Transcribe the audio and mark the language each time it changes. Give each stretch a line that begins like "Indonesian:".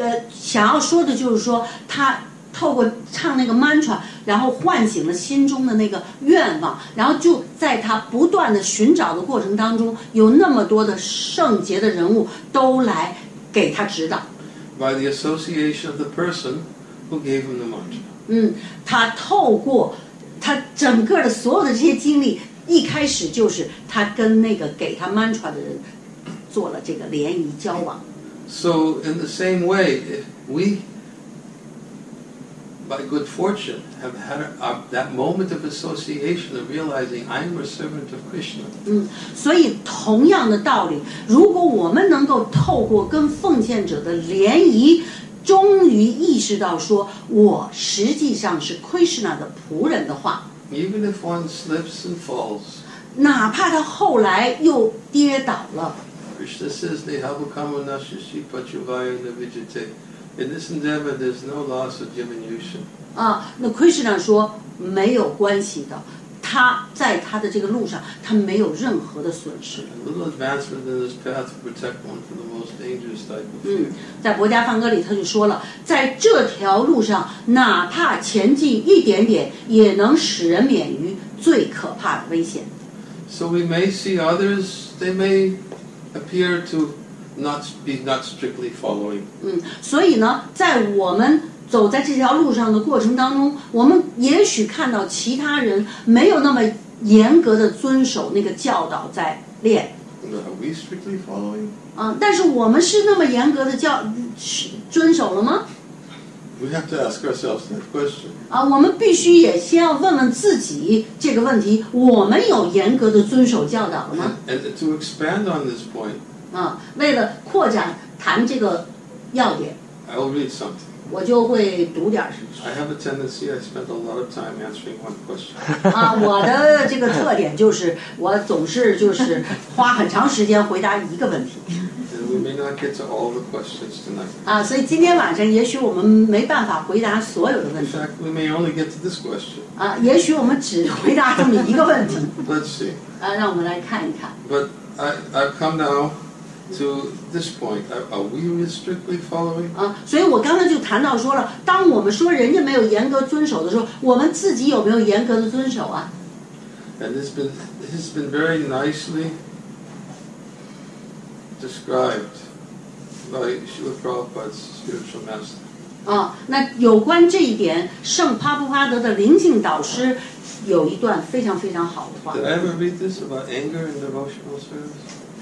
Chinese: 想要说的就是说，他透过唱那个 mantra， 然后唤醒了心中的那个愿望，然后就在他不断的寻找的过程当中，有那么多的圣洁的人物都来给他指导。
English: By the association of the person who gave him the mantra。
Chinese: 他透过他整个的所有的这些经历，一开始就是他跟那个给他 mantra 的人。做了这个联谊交往。
English: So in the same way, if we, by good fortune, have had that moment of association of realizing I am a servant of Krishna.
Chinese: 所以同样的道理，如果我们能够透过跟奉献者的联谊，终于意识到说我实际上是 Krishna 的仆人的话，
English: Even if one slips and falls,
Chinese: 哪怕他后来又跌倒了，
English: Krishna says,
Sanskrit: Nehavukama nashashi pachuvaya navijate,
English: in this endeavor there's no loss of diminution.
Chinese: 那 Krishna 说没有关系的，他在他的这个路上他没有任何的损失。
English: A little advancement in this path to protect one from the most dangerous type of fear.
Chinese: 在博迦梵歌里他就说了，在这条路上哪怕前进一点点也能使人免于最可怕的危险。
English: So we may see others, they may appear to not strictly following.
Chinese: 所以呢在我们走在这条路上的过程当中，我们也许看到其他人没有那么严格的遵守那个教导在练。
English: Are we strictly following?
Chinese: 但是我们是那么严格的教遵守了吗？
English: We have to ask ourselves that question.
Chinese: 我们必须也先要问问自己这个问题，我们有严格的遵守教导了吗？
English: And to expand on this point.
Chinese: 为了扩展谈这个要点。
English: I will read something.
Chinese: 我就会读点什么。
English: I have a tendency, I spend a lot of time answering one question.
Chinese: 我的这个特点就是我总是就是花很长时间回答一个问题。
English: And we may not get to all the questions tonight.
Chinese: 所以今天晚上也许我们没办法回答所有的问题。
English: In fact, we may only get to this question.
Chinese: 也许我们只回答这么一个问题。
English: Let's see.
Chinese: 让我们来看一看。
English: But I've come now. To this point, are we strictly following?
Chinese: 所以我刚才就谈到说了，当我们说人家没有严格遵守的时候，我们自己有没有严格的遵守啊？
English: And it's been very nicely described by Srila Prabhupada's spiritual master.
Chinese: 那有关这一点，圣帕布哈德的灵性导师有一段非常非常好的话。
English: Did I ever read this about anger in devotional service?